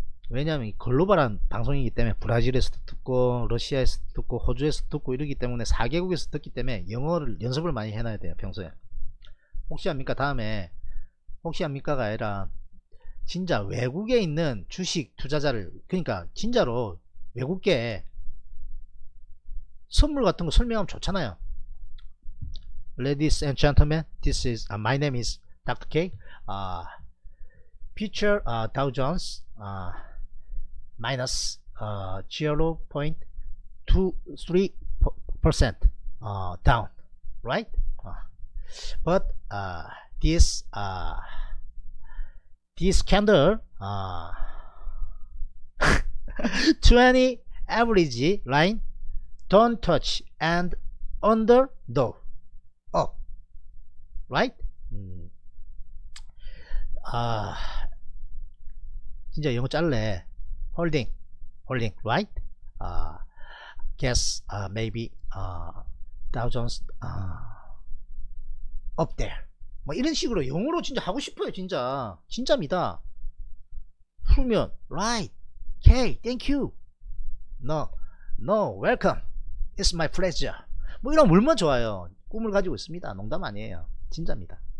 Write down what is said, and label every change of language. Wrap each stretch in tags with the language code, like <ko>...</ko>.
<ko>왜냐하면 글로벌한 방송이기 때문에 브라질에서도 듣고, 러시아에서도 듣고, 호주에서도 듣고 이러기 때문에 4개국에서 듣기 때문에 영어를 연습을 많이 해놔야 돼요, 평소에. 혹시 합니까? 다음에, 혹시 합니까가 아니라, 진짜 외국에 있는 주식 투자자를, 그러니까 진짜로 외국계에 선물 같은 거 설명하면 좋잖아요.</ko> <en>Ladies and gentlemen, this is, my name is Dr. K. Future, Dow Jones, minus 0.23% down, right? But this candle 20 average line don't touch and under the up, right?</en> <ko>진짜 영어 짤래.</ko> <en>Holding, right? Guess maybe Dow Jones up there.</en> <ko>뭐 이런 식으로 영어로 진짜 하고 싶어요, 진짜. 진짜입니다. 풀면</ko> <en>right. Okay, thank you. No, welcome. It's my pleasure.</en> <ko>뭐 이런 얼마나 좋아요. 꿈을 가지고 있습니다. 농담 아니에요. 진짜입니다.</ko>